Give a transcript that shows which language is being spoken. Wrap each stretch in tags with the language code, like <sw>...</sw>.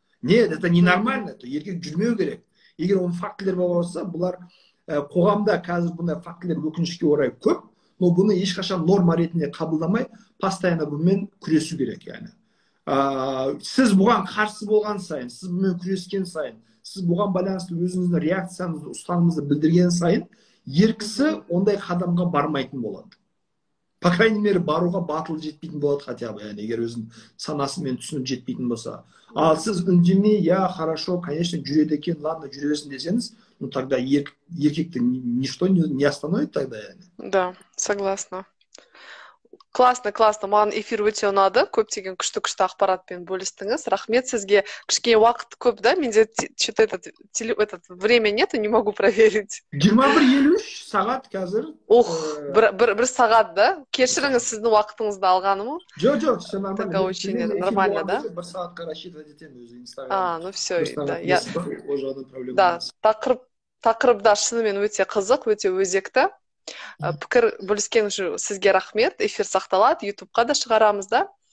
<ru>Нет, это ненормально,</ru> <kk>то еркек жүрмеу керек. Егер оның фактілер болса, бұлар қоғамда қазір бұндай фактілер өкінішке орай көп, но бұны ешқашан норма ретінде қабылдамай, постоянно бұнымен күресу керек. Яғни. Сіз бұған қарсы болған сайын, сіз бұнымен күрескен сайын, сіз бұған байланысты өзіңіздің реакцияңызды, ұстанымыңызды білдірген сайын, еркісі ондай қадамға бармайтын болады.</kk> <ru>По крайней мере,</ru> <kk>баруға батыл жетпейтін болады</kk> <ru>хотя бы,</ru> <kk>яғни, егер өзің санасымен түсініп жетпейтін болса. Ал сіз үндемей,</kk> <ru>я хорошо, конечно,</ru> <kk>жүреді екен, ладно, жүре берсін десеңіз,</kk> <ru>ну тогда</ru> <kk>еркекті</kk> <ru>ничто не остановит тогда,</ru> <kk>яғни.</kk> <ru>Да, согласна. Классно, классно.</ru> <kk>Маған эфир өте ұнады. Көптеген күшті-күшті ақпаратпен бөлістіңіз. Рахмет сізге. Кішкене уақыт көп, да?</kk> <ru>Менде этот время нету, не могу проверить.</ru> <kk>21:53 сағат қазір. Ох, бір сағат, да? Кешіріңіз, сіздің уақытыңызды алғаным.</kk> <ru>Жоқ, все нормально. Так очень нормально, да?</ru> <kk>Бір сағатқа рассчитывать етем өзі Инстаграм.</kk> <ru>А, ну все, да. Я уже одна проблема.</ru> <kk>Да, тақырып да шынымен өте қызық, өте өзекті. Пікір бөліскеніңіз үшін сізге рахмет. Эфир сақталады, YouTube-қа да шығарамыз, да?</kk>